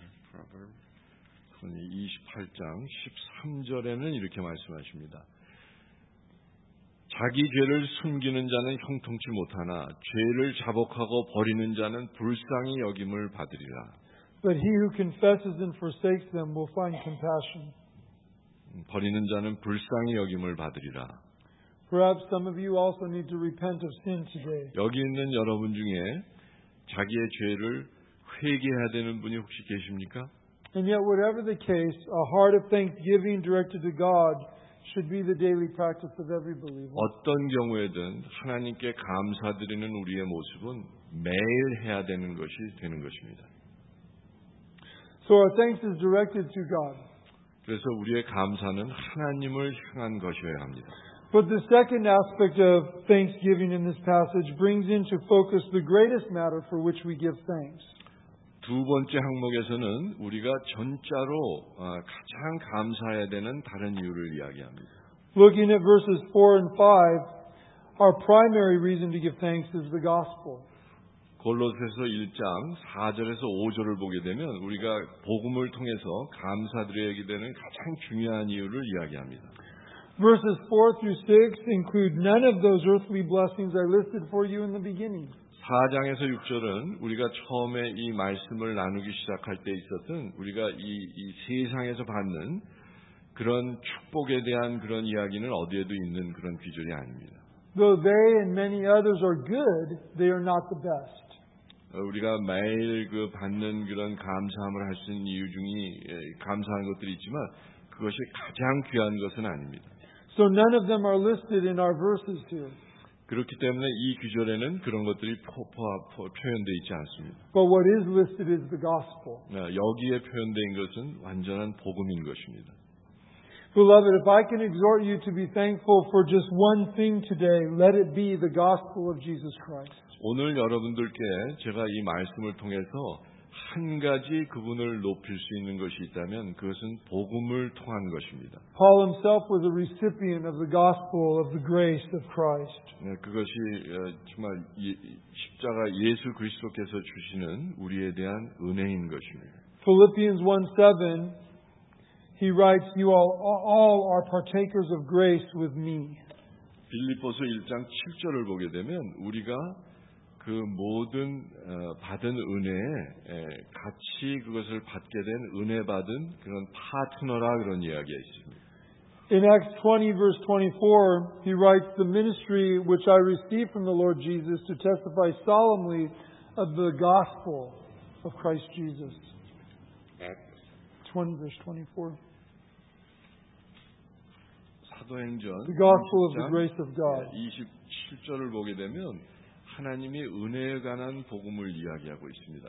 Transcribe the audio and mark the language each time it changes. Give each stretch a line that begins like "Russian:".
Korean: Proverbs 28장 13절에는 이렇게 말씀하십니다. 자기 죄를 숨기는 자는 형통치 못하나 죄를 자복하고 버리는 자는 불쌍히 여김을 받으리라.
English: But he who confesses and forsakes them will find compassion.
Korean: 버리는 자는 불쌍히 여김을 받으리라.
English: Perhaps some of you also need to repent of sin today.
Korean: 여기 있는 여러분 중에 자기의 죄를 회개해야 되는 분이 혹시 계십니까?
English: And yet, whatever the case, a heart of thanksgiving directed to God should be the daily practice of every believer.
Korean: 어떤 경우에든 하나님께 감사드리는 우리의 모습은 매일 해야 되는 것이 되는 것입니다.
English: So our thanks is directed to God.
Korean: 그래서 우리의 감사는 하나님을 향한 것이어야 합니다.
English: But the second aspect of thanksgiving in this passage brings into focus the greatest matter for which we give thanks.
Korean: 두 번째 항목에서는 우리가 전자로 가장 감사해야 되는 다른 이유를 이야기합니다.
English: Looking at verses 4 and 5, our primary reason to give thanks is the gospel.
Korean: 골로새서 1장 4절에서 5절을 보게 되면 우리가 복음을 통해서 감사드려야 되는 가장 중요한 이유를 이야기합니다.
English: Verses 4 through 6 include none of those earthly blessings I listed for you in the beginning.
Korean: 4장에서 6절은 우리가 처음에 이 말씀을 나누기 시작할 때 있었던 우리가 이 세상에서 받는 그런 축복에 대한 그런 이야기는 어디에도 있는 그런 비전이 아닙니다.
English: Though they and many others are good, they are not the best.
Korean: 우리가 매일 그 받는 그런 감사함을 할 수 있는 이유 중에 감사한 것들이 있지만 그것이 가장 귀한 것은 아닙니다.
English: So none of them are listed in our verses here.
Korean: 그렇기 때문에 이 구절에는 그런 것들이 표현되어 있지 않습니다.
English: But what is listed is the gospel.
Korean: 여기에 표현된 것은 완전한 복음인 것입니다.
English: Beloved, if I can exhort you to be thankful for just one thing today, let it be the gospel of Jesus Christ.
Korean: 오늘 여러분들께 제가 이 말씀을 통해서 한 가지 그분을 높일 수 있는 것이 있다면 그것은 복음을 통한 것입니다.
English: Paul himself was a recipient of the gospel of the grace of Christ.
Korean: 네, 그것이 정말 십자가 예수 그리스도께서 주시는 우리에 대한 은혜인 것입니다.
English: Philippians 1:7 he writes, "You all are partakers of grace with me."
Korean: 빌립보서 1장 7절을 보게 되면 우리가 그 모든 받은 은혜에 같이 그것을 받게 된 은혜 받은 그런 파트너라 그런 이야기가 있습니다.
English: In Acts 20 verse 24, he writes, "The ministry which I received from the Lord Jesus to testify solemnly of the gospel of Christ Jesus." Acts 20 verse 24.
Korean: 사도행전
English: The gospel of the grace of God.
Korean: 27절을 보게 되면 하나님이 은혜에 관한 복음을 이야기하고 있습니다.